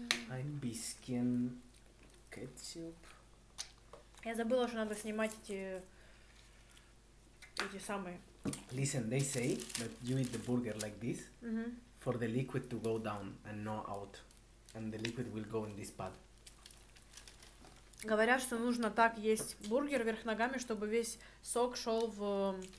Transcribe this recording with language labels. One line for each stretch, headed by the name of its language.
German: Ein bisschen ketchup.
Russian: Я забыла, что надо снимать эти самые.
English: Listen, they say that you eat the burger like this for the liquid to go down and not out. And the liquid will go in this pad.
Russian: Говорят, что нужно так есть бургер вверх ногами, чтобы весь сок шел в